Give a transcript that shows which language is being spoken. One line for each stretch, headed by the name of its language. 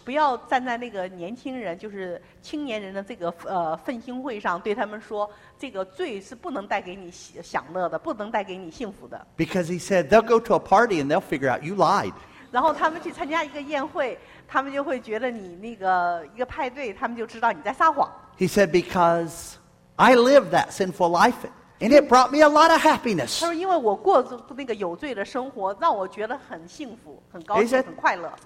Chinese: 不要站在那个年轻人，就是青年人的这个奋兴会上，对他们说。这个罪是不能带给你享乐的，不能带给你幸福的。
English: Because he said they'll go to a party and they'll figure out you lied.
Chinese: 然后他们去参加一个宴会，他们就会觉得你那个一个派对，他们就知道你在撒谎。
English: He said because I lived that sinful life and it brought me a lot of happiness.
Chinese: 他说因为我过那个有罪的生活，让我觉得很幸福、很高兴、很快乐。